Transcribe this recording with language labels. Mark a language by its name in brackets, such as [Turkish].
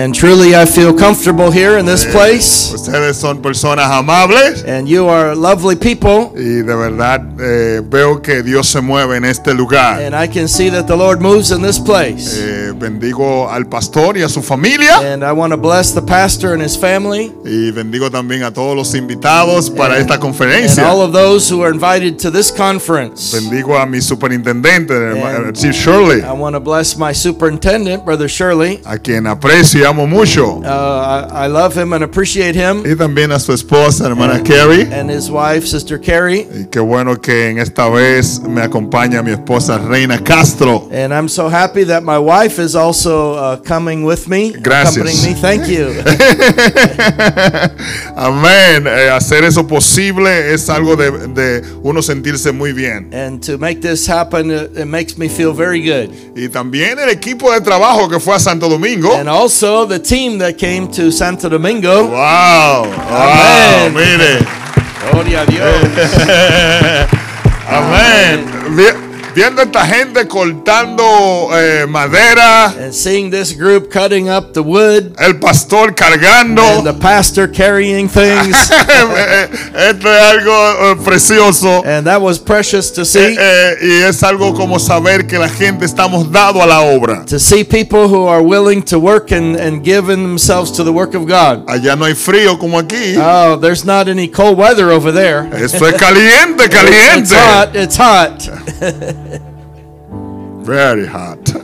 [English] And truly I feel comfortable here in this place. [Spanish] Ustedes son personas amables. [English] And you are lovely people. [Spanish] Y de verdad veo que Dios se mueve en este lugar. [English] And I can see that the Lord moves in this place. [Spanish] Bendigo al pastor y a su familia. [English] And I want to bless the pastor and his family. [Spanish] Y bendigo también a todos los invitados para esta conferencia. [English] And all of those who are invited to this conference. [Spanish] Bendigo a mi superintendente, Chief Shirley. [English] I want to bless my superintendent, Brother Shirley. [Spanish] A quien aprecio y amo mucho. [English] I love him and appreciate him. [Spanish] Y también a su esposa, hermana Carrie. [English] And his wife, Sister Carrie. [Spanish] Y qué bueno que en esta vez me acompaña mi esposa, Reina Castro. [English] And I'm so happy that my wife is also coming with me. [Spanish] Gracias. [English] Accompanying me. Thank you. [Spanish] Amén. Hacer eso posible es algo de uno sentirse muy bien. [English] And to make this happen, it makes me feel very good. [Spanish] Y también el equipo de trabajo que fue a Santo Domingo. [English] And also the team that came to Santo Domingo. Wow. Amen. Wow, [Spanish] mire. Gloria a Dios. Amen. Amen. Viendo esta gente cortando madera. [English] And seeing this group cutting up the wood. [Spanish] El pastor cargando. [English] And the pastor carrying things. [Spanish] Esto es algo precioso. [English] And that was precious to see. [Spanish] Y es algo como saber que la gente estamos dado a la obra. [English] To see people who are willing to work and giving themselves to the work of God. [Spanish] Allá no hay frío como aquí. [English] Oh, there's not any cold weather over there. [Spanish] Esto es caliente, caliente. [English] It's hot, it's hot. Very hot.